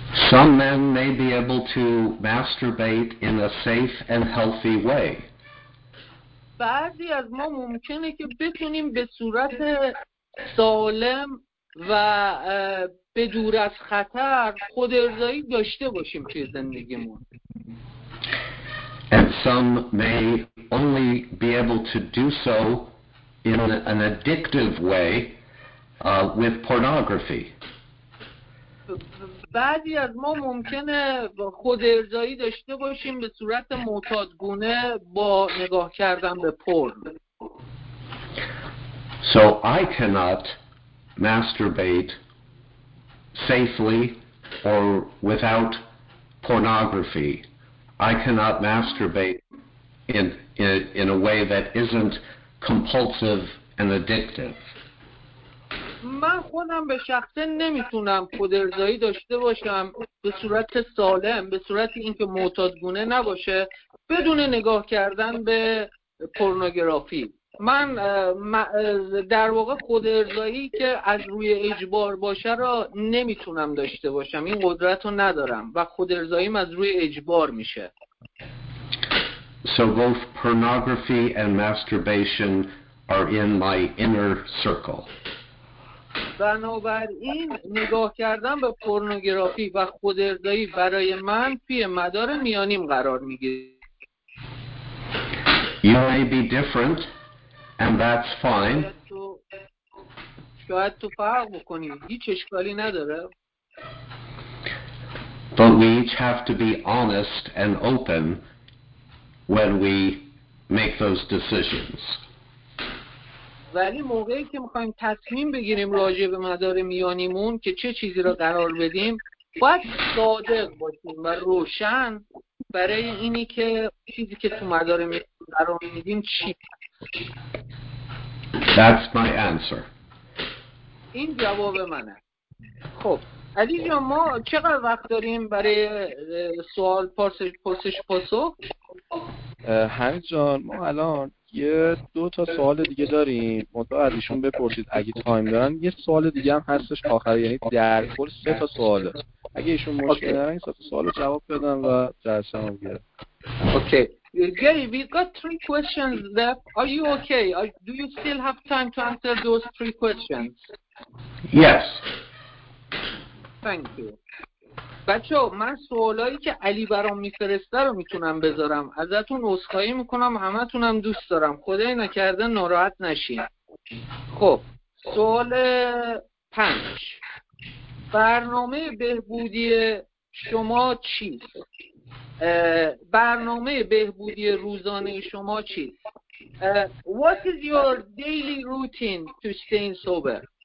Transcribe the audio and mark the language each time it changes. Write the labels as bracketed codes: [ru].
[en] Some men may be able to masturbate in a safe and healthy way. [fa] بعضی از ما ممکنه که بتونیم به صورت سالم و به دور از خطر خودارضایی داشته باشیم توی زندگیمون. [en] And some may only be able to do so in an addictive way with pornography. [fa] بعضی از ما ممکنه خودارضایی داشته باشیم به صورت معتادگونه با نگاه کردن به پورن. [en] So I cannot masturbate safely or without pornography. I cannot masturbate in a way that isn't compulsive and addictive. [fa] من خودم به شخصه نمیتونم خودارضایی داشته باشم به صورت سالم، به صورت اینکه معتادگونه نباشه، بدون نگاه کردن به پورنوگرافی. من در واقع خودارضایی که از روی اجبار باشه را نمیتونم داشته باشم، این قدرت رو ندارم و خودارضاییم از روی اجبار میشه. [en] So both pornography and masturbation are in my inner circle. [fa] بنابراین نگاه کردن به پورنوگرافی و خودارضایی برای من توی مدار میانیم قرار میگیره. [en] You may be different and that's fine. [fa] شاید تو فرق بکنی، هیچ اشکالی نداره. [en] But we each have to be honest and open when we make those decisions. [fa] ولی موقعی که میخوایم تصمیم بگیریم راجع به مدار میانیمون که چه چیزی را قرار بدیم، باید صادق باشیم و روشن برای اینی که چیزی که تو مدار میانیمون قرار میدیم چی. [en] That's my answer. [fa] این جواب منه. خب علی جان، ما چقدر وقت داریم برای سوال پرسش پاسخ؟ همین جان، ما الان یه دو تا سوال دیگه داریم، منتها از ایشون بپرسید اگه تایم دارن. یه سوال دیگه هم هستش آخر، یعنی در کل سه تا سواله. اگه ایشون مشکل دارن این سه تا سوال رو جواب بدن و جلسه رو بگیرن. [en] Okay. Gary, we've got three questions left. Are you okay? Do you still have time to answer those three questions? Yes. Thank you. [fa] بچه ها، من سوالایی که علی برام میفرسته رو میتونم بذارم. ازتون عذرخواهی میکنم، همه تونم دوست دارم، خدای نکرده ناراحت نشین. خب سوال 5، برنامه بهبودی شما چیست؟ برنامه بهبودی روزانه شما چیست؟ [en] What is your daily routine to stay sober?